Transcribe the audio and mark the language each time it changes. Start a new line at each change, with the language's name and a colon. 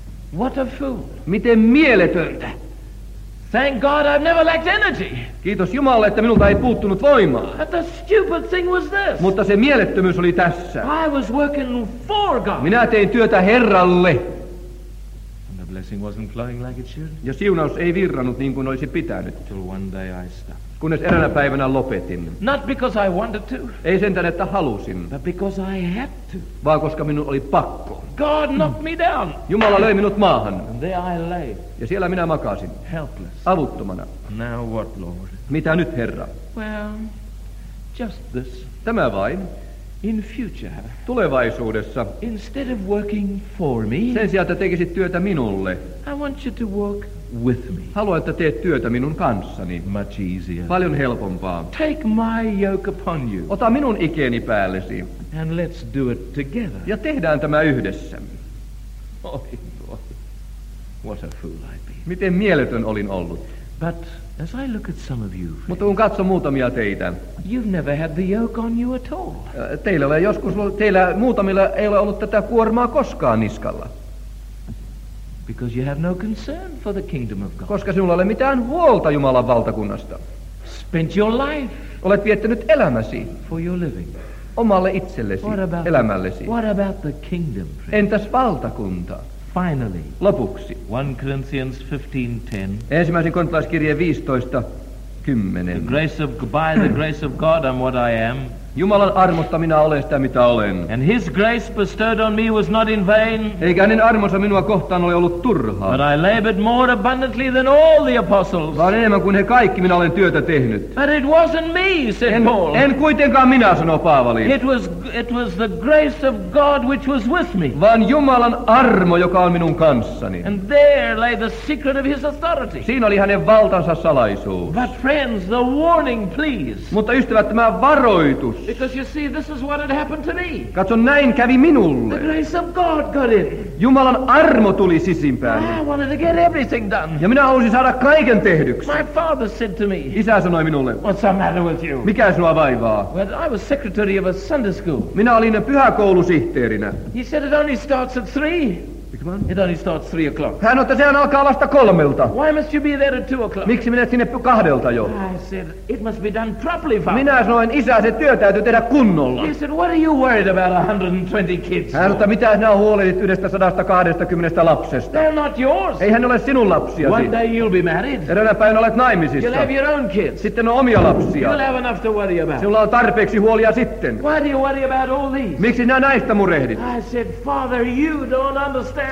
English: What a fool.
Finnish: Miten mieletöntä.
English: Thank God I've never lacked energy.
Finnish: Kiitos Jumalalle, että minulta ei puuttunut voimaa.
English: But the stupid thing was this.
Finnish: Mutta se mielettömyys oli tässä.
English: I was working for God.
Finnish: Minä tein työtä Herralle.
English: And the blessing wasn't flowing like it should.
Finnish: Ja siunaus ei virrannut niin kuin olisi pitänyt.
English: Till one day I stopped.
Finnish: Kunnes eräänä päivänä lopetin.
English: Not because I wanted to.
Finnish: Ei sentään, että halusin.
English: But because I had to.
Finnish: Vaan koska minun oli pakko.
English: God knocked me down.
Finnish: Jumala löi minut maahan.
English: And there I lay.
Finnish: Ja siellä minä makasin.
English: Helpless.
Finnish: Avuttomana.
English: Now what, Lord?
Finnish: Mitä nyt, Herra?
English: Well, just this.
Finnish: Tämä vain.
English: In future.
Finnish: Tulevaisuudessa.
English: Instead of working for me.
Finnish: Sen sijaan, että tekisit työtä minulle.
English: I want you to work with me.
Finnish: Haluan, että teet työtä minun kanssani.
English: Much easier.
Finnish: Paljon helpompaa.
English: Take my yoke upon you.
Finnish: Ota minun ikeeni päällesi.
English: And let's do it together.
Finnish: Ja tehdään tämä yhdessä.
English: Oi, boy. What a fool I've been.
Finnish: Miten mieletön olin ollut.
English: But as I look at some of you, friends,
Finnish: mutta kun katson muutamia teitä,
English: you've never had the yoke on you at all.
Finnish: Teillä muutamilla ei ole ollut tätä kuormaa koskaan niskalla.
English: Because you have no concern for the kingdom of God.
Finnish: Koska sinulla ei ole mitään huolta Jumalan valtakunnasta.
English: Spent your life.
Finnish: Olet viettänyt elämäsi.
English: For your living.
Finnish: Omalle itsellesi.
English: What about
Finnish: elämällesi.
English: What about the kingdom, friends?
Finnish: Entäs valtakunta?
English: Finally.
Finnish: Lopuksi.
English: 1 Corinthians 15:10.
Finnish: Ensimmäisen korintalaiskirjeen 15:10.
English: By the grace of God I'm what I am.
Finnish: Jumalan armosta minä olen sitä, mitä olen.
English: And his grace bestowed on me was not in vain.
Finnish: Eikä hänen armonsa minua kohtaan ole ollut turhaa.
English: But I labored more abundantly than all the apostles.
Finnish: Vaan enemmän kuin he kaikki minä olen työtä tehnyt.
English: But it wasn't me, said Paul.
Finnish: En kuitenkaan minä, sanoo Paavali.
English: It was the grace of God which was with me.
Finnish: Vaan Jumalan armo, joka on minun kanssani.
English: And there lay the secret of his authority.
Finnish: Siinä oli hänen valtansa salaisuus.
English: But friends, the warning, please.
Finnish: Mutta ystävät, tämä varoitus.
English: Because you see, this is what had happened to me.
Finnish: Katso, näin kävi minulle.
English: The grace of God got in.
Finnish: Jumalan armo tuli sisimpään.
English: I wanted to get everything done.
Finnish: Ja minä halusin saada kaiken tehdyksi.
English: My father said to me.
Finnish: Isä sanoi minulle.
English: What's the matter with you?
Finnish: Mikä sinua vaivaa?
English: Well, I was secretary of a Sunday school.
Finnish: Minä olin pyhäkoulusihteerinä.
English: He said it only starts at 3. It only starts 3:00.
Finnish: Hän otta, sehän alkaa vasta 3:00.
English: Why must you be there at 2:00?
Finnish: Miksi menet sinne 2:00 jo?
English: I said, it must be done properly, Father.
Finnish: Minä sanoin, isä, se työ täytyy tehdä kunnolla.
English: He said, what are you worried about 120 kids?
Finnish: Hän otta, mitä sinä huolehdit 120 lapsesta?
English: They're not yours.
Finnish: Eihän ole sinun lapsiasi.
English: One day you'll be married.
Finnish: Eräänä päivänä olet naimisissa.
English: You'll have your own kids.
Finnish: Sitten on omia lapsia.
English: You'll have enough to worry about.
Finnish: Sinulla on tarpeeksi huolia sitten.
English: Why do you worry about all these?
Finnish: Miksi sinä näistä murehdit?
English: I said, Father, you don't understand.